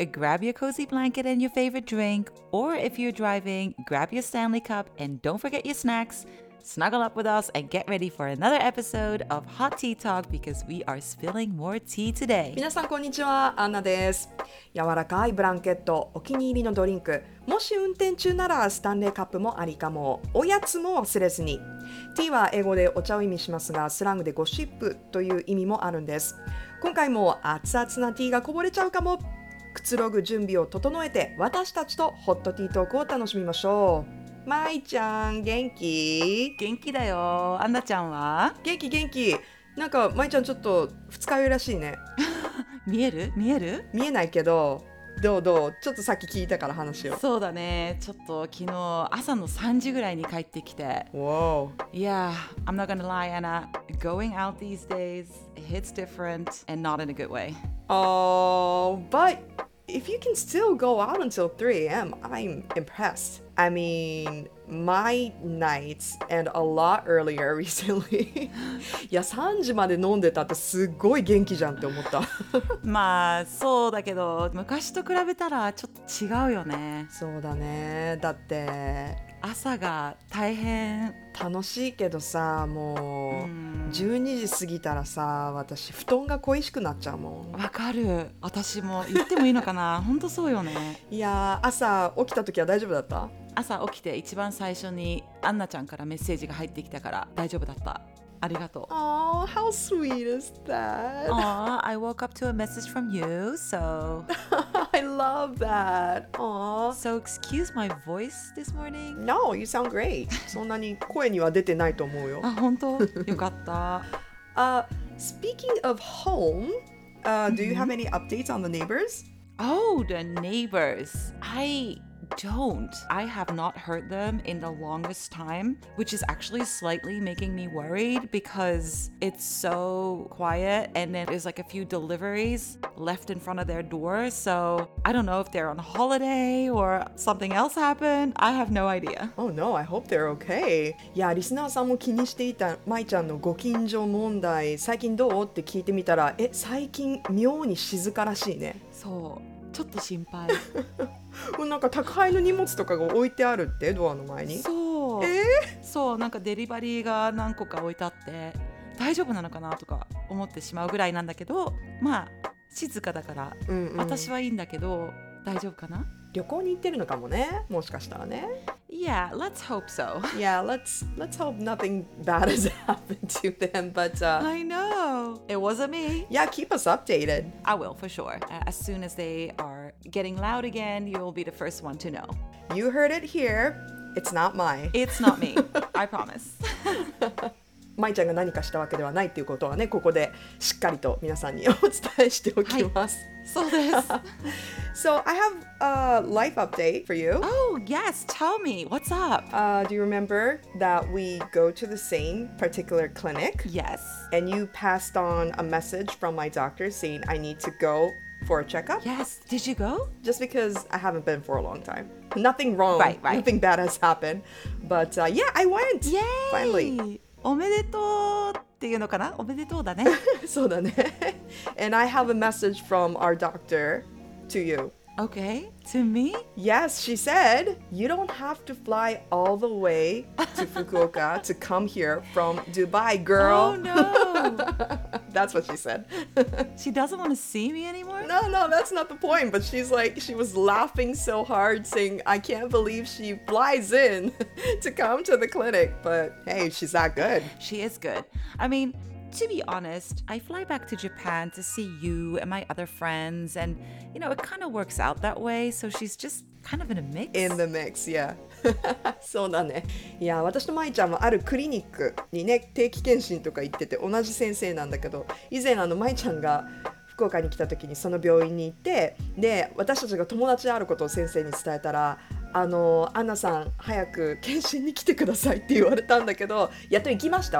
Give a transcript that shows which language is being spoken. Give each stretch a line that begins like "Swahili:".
English: Grab your cozy blanket and your favorite drink. Or if you're driving, grab your Stanley Cup and don't forget your snacks. Snuggle up with us and get ready for another episode of Hot Tea Talk because we are spilling more tea today.
Japanese: 皆さんこんにちは、アンナです。柔らかいブランケット、お気に入りのドリンク、もし運転中ならスタンレーカップもありかも。おやつも忘れずに。ティーは英語でお茶を意味しますが、スラングでゴシップという意味もあるんです。今回も熱々なティーがこぼれちゃうかも。くつろぐ準備を整えて、私たちとホットティートークを楽しみましょう。マイちゃん、元気？元気だよ。アンナちゃんは？元気元気。なんかマイちゃんちょっと二日酔いらしいね。見える？見える？見えないけど、どうどう？ちょっとさっき聞いたから話を。そうだね。ちょっと昨日朝の3時ぐらいに帰ってきて。
English: Wow. Yeah, I'm not gonna lie, Anna. Going out these days hits different and not in a good way. But if you can still go out until 3 a.m, I'm impressed. I mean, my nights and a lot earlier recently.
Japanese: いや、3時まで飲んでたってすごい元気じゃんって思った。まあ、そうだけど、昔と比べたらちょっと違うよね。そうだね。だって朝が大変楽しいけどさ、もう12時過ぎたらさ、私布団が恋しくなっちゃうもん。わかる。私も言ってもいいのかな。本当そうよね。いや、朝起きた時は大丈夫だった？朝起きて一番最初にアンナちゃんからメッセージが入ってきたから大丈夫だった。ありがとう。
English: Aww, how sweet is that? Aww, I woke up to a message from you, so... I love that. Aww. So excuse my voice this morning? No, you sound great.
Japanese: そんなに声には出てないと思うよ。あ、本当？よかった。
English: Speaking of home, do you have any updates on the neighbors? Oh, the neighbors. I don't. I have not heard them in the longest time, which is actually slightly making me worried because it's so quiet and then there's like a few deliveries left in front of their door. So I don't know if they're on holiday or something else happened. I have no idea. Oh no, I hope they're okay.
Japanese: Yeah, リスナーさんも気にしていたマイちゃんのご近所問題、最近どうって聞いてみたら、え、最近妙に静からしいね。そう。ちょっと心配。なんか宅配の荷物とかが置いてあるってドアの前に。そう。そう、なんかデリバリーが何個か置いてあって大丈夫なのかなとか思ってしまうぐらいなんだけど、まあ静かだから、うんうん、私はいいんだけど大丈夫かな。旅行に行ってるのかもね、もしかしたらね。
English: Yeah, let's hope so. Yeah, let's hope nothing bad has happened to them. But I know, it wasn't me. Yeah, keep us updated. I will, for sure. As soon as they are getting loud again, you'll be the first one to know. You heard it here. It's not my. It's not me. I promise.
Japanese: マイちゃんが何かしたわけではないっていうことはね、ここでしっかりと皆さんにお伝えしておきます。はい、そうです。
English: So I have a life update for you. Oh yes, tell me, what's up? Do you remember that we go to the same particular clinic? Yes. And you passed on a message from my doctor saying I need to go for a checkup? Yes, did you go? Just because I haven't been for a long time. Nothing wrong, right, right. Nothing bad has happened. But yeah, I went. Yay! Finally.
Japanese: おめでとうっていうのかな？おめでとうだね。そうだね。
English: And I have a message from our doctor to you. Okay, to me? Yes, she said, you don't have to fly all the way to Fukuoka to come here from Dubai, girl. Oh no! That's what she said. She doesn't want to see me anymore? No, no, that's not the point. But she's like, she was laughing so hard saying, I can't believe she flies in to come to the clinic. But hey, she's that good. She is good. I mean, to be honest, I fly back to Japan to see you and my other friends. And, you know, it kind of works out that way. So she's just kind of in a mix. In the mix, yeah.
Japanese: そうだね。いや、私とまいちゃんはあるクリニックにね、定期検診とか行ってて、同じ先生なんだけど、以前あのまいちゃんが福岡に来た時にその病院に行って、で私たちが友達であることを先生に伝えたら、あのアンナさん早く検診に来てくださいって言われたんだけど、やっと行きました。